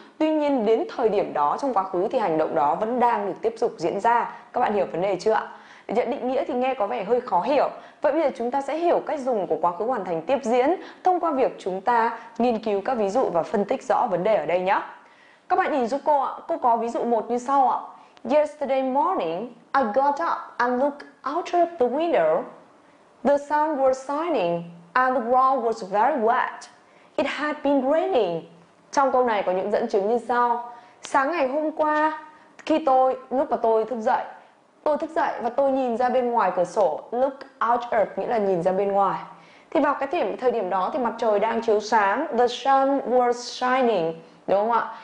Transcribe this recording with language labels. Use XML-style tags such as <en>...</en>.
<vi>Tuy nhiên đến thời điểm đó trong quá khứ thì hành động đó vẫn đang được tiếp tục diễn ra. Các bạn hiểu vấn đề chưa ạ? Nhận định nghĩa thì nghe có vẻ hơi khó hiểu. Vậy bây giờ chúng ta sẽ hiểu cách dùng của quá khứ hoàn thành tiếp diễn thông qua việc chúng ta nghiên cứu các ví dụ và phân tích rõ vấn đề ở đây nhé. Các bạn nhìn giúp cô ạ. Cô có ví dụ 1 như sau ạ.</vi> <en>Yesterday morning, I got up and looked out of the window. The sun was shining and the ground was very wet. It had been raining.</en> <vi>Trong câu này có những dẫn chứng như sau. Sáng ngày hôm qua, lúc mà tôi thức dậy và tôi nhìn ra bên ngoài cửa sổ,</vi> <en>look out of</en> <vi>nghĩa là nhìn ra bên ngoài. Thì vào cái thời điểm đó thì mặt trời đang chiếu sáng,</vi> <en>the sun was shining,</en> <vi>đúng không ạ?</vi>